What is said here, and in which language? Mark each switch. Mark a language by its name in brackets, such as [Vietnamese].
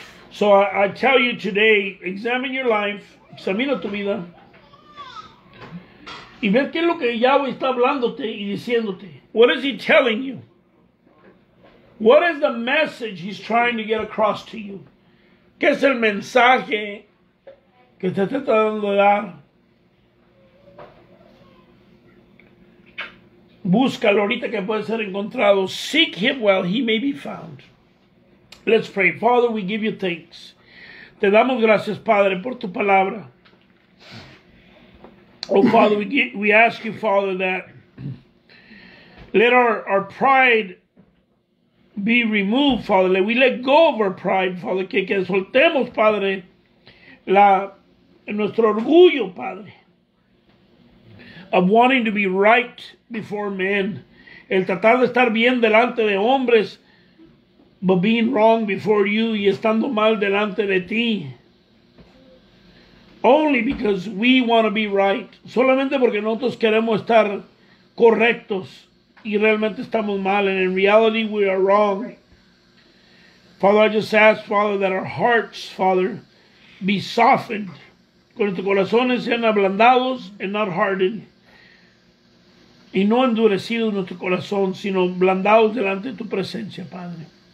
[English] So I tell you today, examine your life. [Spanish] Examina tu vida. Y ver qué es lo que Yahweh está hablándote y diciéndote. [English] What is he telling you? What is the message he's trying to get across to you? [Spanish] ¿Qué es el mensaje que te está tratando de dar? Búscalo ahorita que puede ser encontrado. [English] Seek him while he may be found. Let's pray. Father, we give you thanks. [Spanish] Te damos gracias, Padre, por tu palabra. [English] Oh, Father, we ask you, Father, that let our pride be removed, Father. Let we let go of our pride, Father. [Spanish] Que soltemos, Padre, nuestro orgullo, Padre, [English] of wanting to be right before men. [Spanish] El tratar de estar bien delante de hombres, [English] but being wrong before you [Spanish] y estando mal delante de ti. [English] Only because we want to be right. [Spanish] Solamente porque nosotros queremos estar correctos y realmente estamos mal. [English] And in reality, we are wrong. Father, I just ask, Father, that our hearts, Father, be softened. [Spanish] Con tus corazones sean ablandados [English] and not hardened. [Spanish] Y no endurecido nuestro corazón, sino blandados delante de tu presencia, Padre.